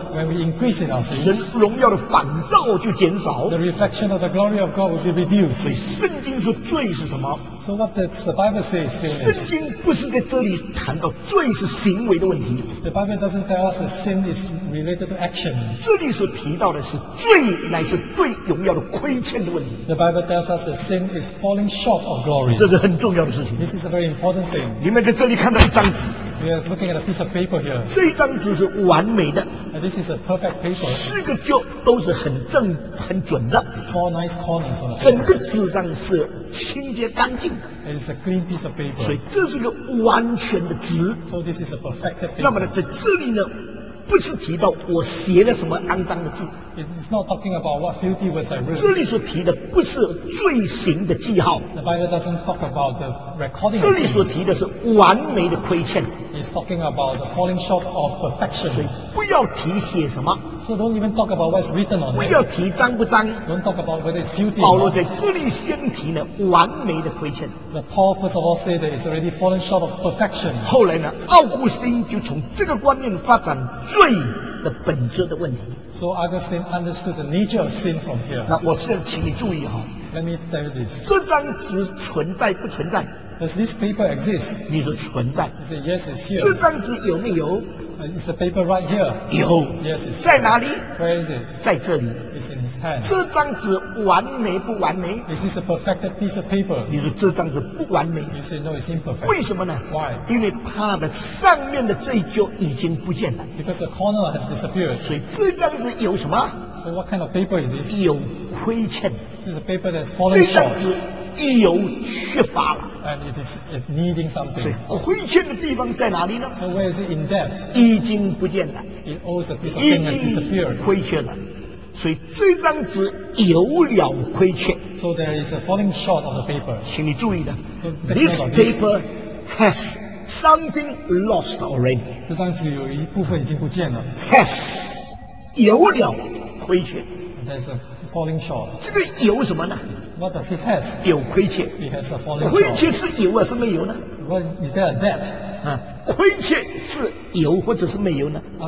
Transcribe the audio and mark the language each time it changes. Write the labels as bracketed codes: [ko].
[en] when we increase in our sins, [zh] 神荣耀的反照就减少。 [en] The reflection of the glory of God will be reduced. [zh] 所以圣经说罪是什么？ [en] So what does the Bible say is sin? [zh] 圣经不是在这里谈到罪是行为的问题。 [en] The Bible doesn't tell us that sin is related to action. [zh] 这里所提到的是罪乃是对荣耀的亏欠的问题。 [en] The Bible tells us that sin is falling short of glory. [zh] 这是很重要的事情。 [en] This is a very important thing. [zh] 你们在这里看到一张纸。 [en] We are looking at a piece of paper here. [zh] 这一张纸是完美的。 [en] And this is a perfect paper. [zh] 四个角都是很正、很准的。 [en] Four nice corners on the paper. [zh] 整个纸张是清洁干净的。 [en] It is a clean piece of paper. [zh] 所以这是个完全的纸。 [en] So this is a perfect paper. [zh] 那么呢，在这里呢，不是提到我写了什么肮脏的字。 [en] It is not talking about what filthy words I wrote. [zh] 这里所提的不是罪行的记号。 [en] The Bible doesn't talk about the recording. [zh] 这里所提的是完美的亏欠。 [en] It's talking about the falling short of perfection. [zh] 所以不要提写什么。 [en] So don't even talk about what's written on it. [zh] 不要提脏不脏。 [en] Don't talk about whether it's filthy. [zh] 保罗在这里先提呢完美的亏欠。 [en] The Paul first of all said that it's already fallen short of perfection. [zh] 后来呢，奥古斯丁就从这个观念发展罪的本质的问题。 [en] So Augustine understood the nature of sin from here. [zh] 那我现在请你注意哈。 [en] Let me tell you this. [zh] 这张纸存在不存在？ [en] Does this paper exist? [zh] 你说存在。 [en] He said, yes, it's here. [zh] 这张纸有没有？ [en] Is the paper right here? [zh] 有。 [en] Yes, it's [zh] 在哪里？ [en] Where is it? [zh] 在这里。 [en] It's in his hand. [zh] 这张纸完美不完美？ [en] Is this a perfected piece of paper? [zh] 你说这张纸不完美。 [en] He said, no, it's imperfect. [zh] 为什么呢？ [en] Why? [zh] 因为它的上面的这一角已经不见了。 [en] Because the corner has disappeared. [zh] 所以这张纸有什么？ [en] So what kind of paper is this? [zh] 有亏欠。 [en] This is a paper that's fallen short. [zh] 已有缺乏了。 [en] And it is needing something. [zh] 亏欠的地方在哪里呢？ [en] So where is it in debt? [zh] 已经不见了。 [en] It owes a piece of thing that disappeared. [zh] 亏欠了。所以这张纸有了亏欠。 [en] So there is a falling short of the paper. [zh] 请你注意的。 [en] So this paper has something lost already. [zh] 这张纸有一部分已经不见了。 [en] Has [zh] 有了亏欠。 [en] There's a falling short. [zh] 这个有什么呢？ [en] What does it has? [zh] 有亏欠。 [en] It has a falling short. [zh] 亏欠是有还是没有呢？ [en] What is there a debt? [zh] 亏欠是有或者是没有呢？